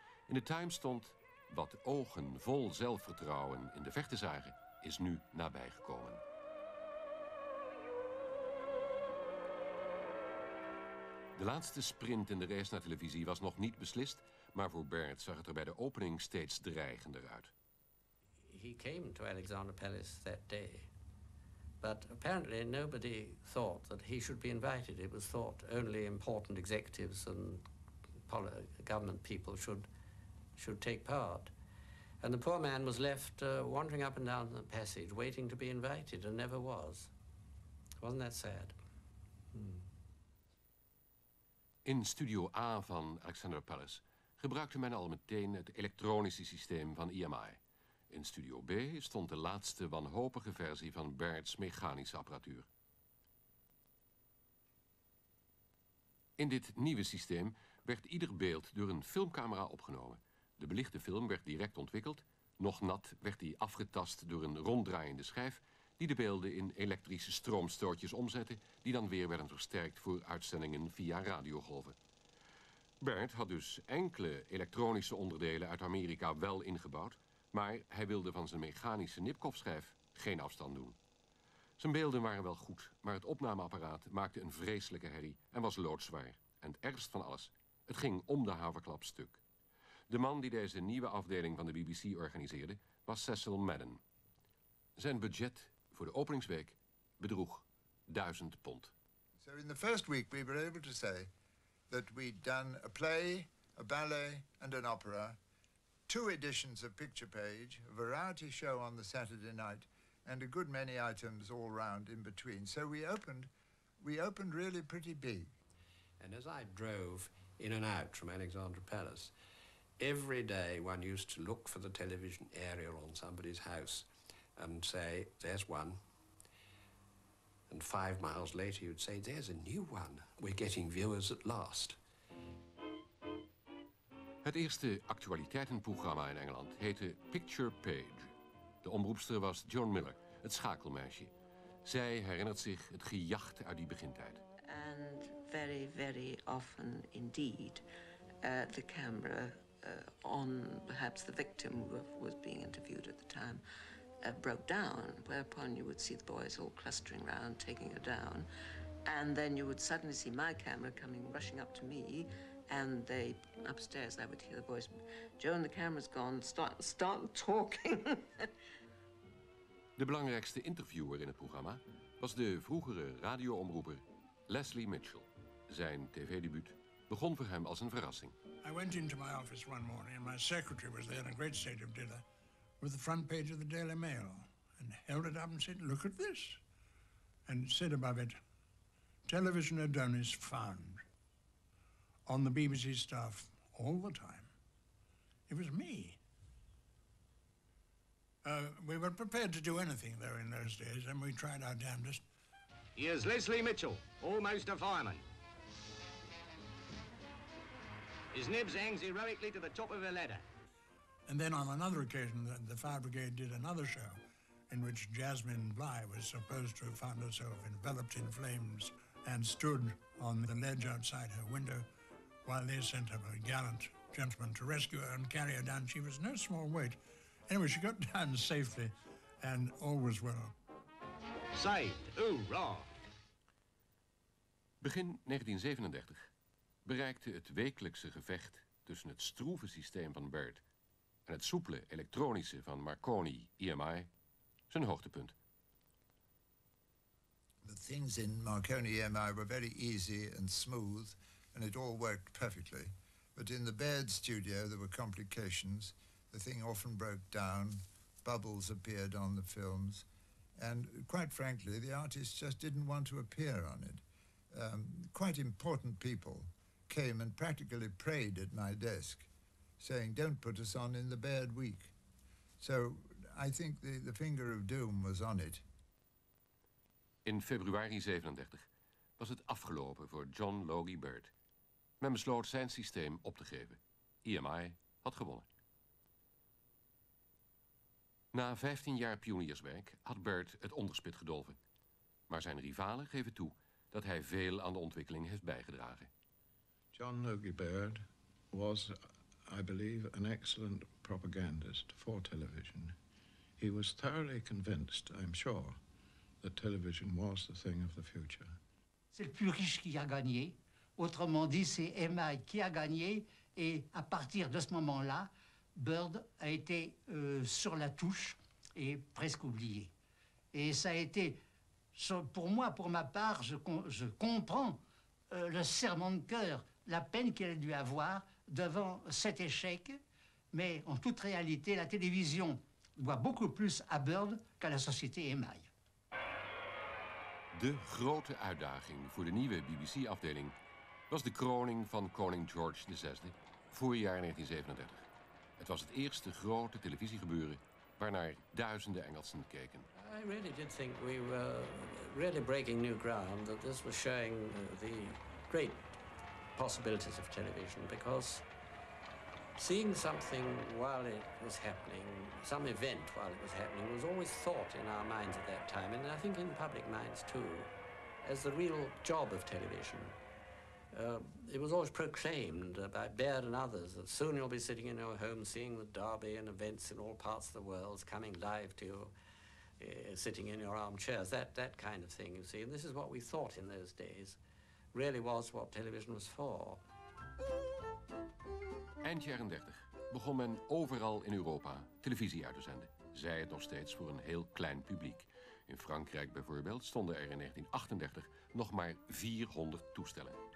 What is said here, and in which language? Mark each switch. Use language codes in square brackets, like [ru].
[nl] In de Times stond: wat ogen vol zelfvertrouwen in de verte zagen, is nu nabijgekomen. De laatste sprint in de race naar televisie was nog niet beslist, maar voor Bert zag het er bij de opening steeds dreigender uit. [en] He came to Alexander Palace that day, but apparently nobody thought that he should be invited. It was thought only important executives and government people should take part. And the poor man was left wandering up and down the passage, waiting to be invited, and never was. Wasn't that sad? [nl] In Studio A van Alexander Palace gebruikte men al meteen het elektronische systeem van EMI. In Studio B stond de laatste wanhopige versie van Baird's mechanische apparatuur. In dit nieuwe systeem werd ieder beeld door een filmcamera opgenomen. De belichte film werd direct ontwikkeld. Nog nat werd die afgetast door een ronddraaiende schijf die de beelden in elektrische stroomstootjes omzette, die dan weer werden versterkt voor uitzendingen via radiogolven. Bert had dus enkele elektronische onderdelen uit Amerika wel ingebouwd, maar hij wilde van zijn mechanische Nipkow-schijf geen afstand doen. Zijn beelden waren wel goed, maar het opnameapparaat maakte een vreselijke herrie en was loodzwaar. En het ergst van alles, het ging om de haverklap stuk. De man die deze nieuwe afdeling van de BBC organiseerde, was Cecil Madden. Zijn budget voor de openingsweek bedroeg £1,000. [en] So in the first week we were able to say that we'd done a play, a ballet and an opera, two editions of Picture Page, a variety show on the Saturday night and a good many items all round in between. So we opened really pretty big. And as I drove in and out from Alexandra Palace, every day one used to look for the television aerial on somebody's house and say, there's one. And 5 miles later, you'd say, there's a new one. We're getting viewers at last. [nl] Het eerste actualiteitenprogramma in Engeland heette Picture Page. De omroepster was Joan Miller, het schakelmeisje. Zij herinnert zich het gejacht uit die begintijd. [en] And very, very often indeed, the camera on perhaps the victim who was being interviewed at the time, broke down, whereupon you would see the boys all clustering round, taking her down, and then you would suddenly see my camera coming, rushing up to me, and they, upstairs, I would hear the voice, Joan, the camera's gone, start talking. [nl] De belangrijkste interviewer in het programma was de vroegere radioomroeper Leslie Mitchell. Zijn tv-debuut begon voor hem als een verrassing. [en] I went into my office one morning, and my secretary was there in a great state of dither, with the front page of the Daily Mail, and held it up and said, look at this. And it said above it, television Adonis found on the BBC staff all the time. It was me. We were prepared to do anything, though, in those days, and we tried our damnedest. Here's Leslie Mitchell, almost a fireman. His nibs hangs heroically to the top of a ladder. And then on another occasion, the fire brigade did another show in which Jasmine Bligh was supposed to have found herself enveloped in flames and stood on the ledge outside her window while they sent up a gallant gentleman to rescue her and carry her down. She was no small weight. Anyway, she got down safely and all was well. Saved. Ooh, raw. [nl] Begin 1937 bereikte het wekelijkse gevecht tussen het stroeve systeem van Bert en het soepele elektronische van Marconi EMI zijn hoogtepunt. [en] The things in Marconi EMI were very easy and smooth, and it all worked perfectly. But in the Baird studio there were complications. The thing often broke down, bubbles appeared on the films, and quite frankly, the artists just didn't want to appear on it. Quite important people came and practically prayed at my desk, saying, don't put us on in the bad week. So I think the finger of doom was on it. [nl] In februari 37 was het afgelopen voor John Logie Baird. Men besloot zijn systeem op te geven. EMI had gewonnen. Na 15 jaar pionierswerk had Bert het onderspit gedolven. Maar zijn rivalen geven toe dat hij veel aan de ontwikkeling heeft bijgedragen. [en] John Logie Baird was, I believe, an excellent propagandist for television. He was thoroughly convinced, I'm sure, that television was the thing of the future. [fr] C'est le plus riche qui a gagné. Autrement dit, c'est Emma qui a gagné. Et à partir de ce moment-là, Bird a été sur la touche et presque oublié. Et ça a été, pour moi, pour ma part, je comprends le serrement de cœur, la peine qu'elle a dû avoir devant cet échec. Mais en toute réalité, la télévision doit beaucoup plus à Bird qu'à la société Emmaï. [nl] De grote uitdaging voor de nieuwe BBC-afdeling was de kroning van koning George VI, voorjaar 1937. Het was het eerste grote televisiegebeuren waarnaar duizenden Engelsen keken. [en] I really did think we were really breaking new ground, that this was showing the great possibilities of television, because seeing something while it was happening, some event while it was happening, was always thought in our minds at that time, and I think in public minds too, as the real job of television. It was always proclaimed by Baird and others that soon you'll be sitting in your home seeing the Derby and events in all parts of the world coming live to you, sitting in your armchairs, that kind of thing, you see. And this is what we thought in those days really was what television was for. [nl] Eind jaren 30 begon men overal in Europa televisie uit te zenden. Zij het nog steeds voor een heel klein publiek. In Frankrijk bijvoorbeeld stonden er in 1938 nog maar 400 toestellen.